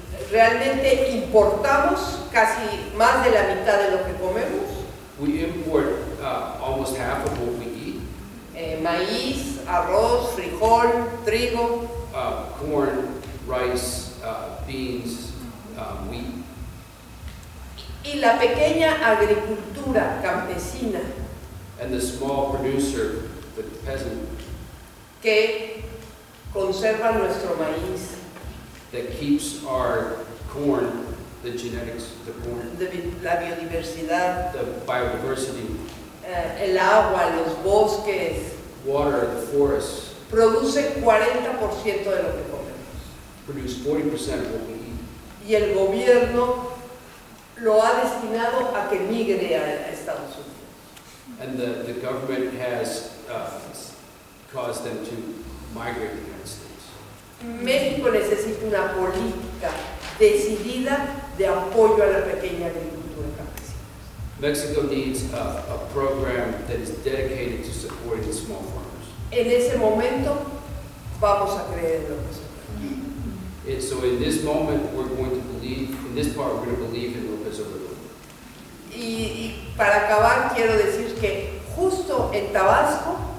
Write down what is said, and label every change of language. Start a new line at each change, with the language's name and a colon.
Spanish: Realmente importamos casi más de la mitad de lo que comemos.
English: We import almost half of what we eat.
Spanish: Maíz, arroz, frijol, trigo.
English: Corn, rice, beans, wheat.
Spanish: Y la pequeña agricultura campesina.
English: And the small producer, the peasant.
Spanish: Que conserva nuestro maíz.
English: That keeps our corn, the genetics, the corn.
Spanish: La biodiversidad.
English: The biodiversity.
Spanish: El agua, los bosques.
English: Water, the forests.
Spanish: Produce 40% de lo que comemos.
English: Produce 40% of what we eat.
Spanish: Y el gobierno lo ha destinado a que migre a Estados Unidos.
English: And the government has caused them to migrate to the United States.
Spanish: México necesita una política decidida de apoyo a la pequeña agricultura campesina.
English: Mexico needs a program that is dedicated to supporting the small farmers.
Spanish: En ese momento vamos a creer en lo que se puede.
English: So in this moment we're going to believe, in this part we're going to believe in López Obrador.
Spanish: Y para acabar quiero decir que justo en Tabasco.